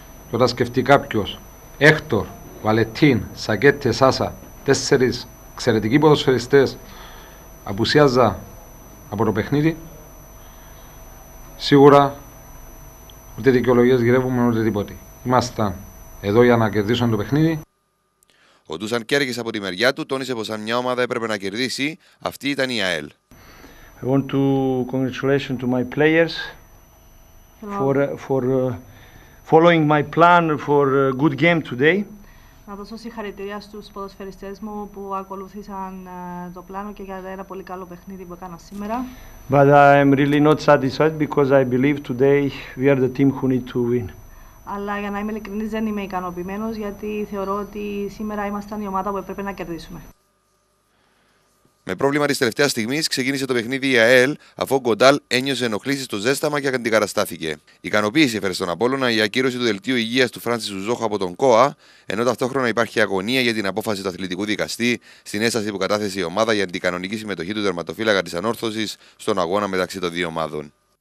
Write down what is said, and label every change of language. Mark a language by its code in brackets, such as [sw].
[el] Και όταν σκεφτεί κάποιος, Έκτορ, Βαλετίν, Σακέτε, Σάσα, τέσσερις εξαιρετικοί ποδοσφαιριστές απουσίαζα από το παιχνίδι, σίγουρα ούτε δικαιολογίες γυρεύουμε ούτε τίποτε. Ήμασταν εδώ για να κερδίσουν το παιχνίδι. Ο Ντούσαν Κέρκης από τη μεριά του τόνισε πως αν μια ομάδα έπρεπε να κερδίσει, αυτή ήταν η ΑΕΛ. [en] I want to congratulate to my players for following my plan for a good game today. [el] Να δώσω συγχαρητήρια στους ποδοσφαιριστές μου που ακολούθησαν το πλάνο και για ένα πολύ καλό παιχνίδι που έκανα σήμερα. [en] But I'm really not satisfied because I believe today we are the team who need to win. [el] Αλλά για να είμαι ειλικρινής, δεν είμαι ικανοποιημένος γιατί θεωρώ ότι σήμερα ήμασταν η ομάδα που έπρεπε να κερδίσουμε. Με πρόβλημα της τελευταίας στιγμής ξεκίνησε το παιχνίδι η ΑΕΛ αφού ο Γκοντάλ ένιωσε ενοχλήσεις στο ζέσταμα και αντικαταστάθηκε. Ικανοποίηση έφερε στον Απόλλωνα η ακύρωση του δελτίου υγείας του Φράνσις Ζουζόχα από τον ΚΟΑ, ενώ ταυτόχρονα υπάρχει αγωνία για την απόφαση του αθλητικού δικαστή στην έσταση που κατάθεσε η ομάδα για την κανονική συμμετοχή του τερματοφύλακα της Ανόρθωσης στον αγώνα μεταξύ των δύο ομάδων.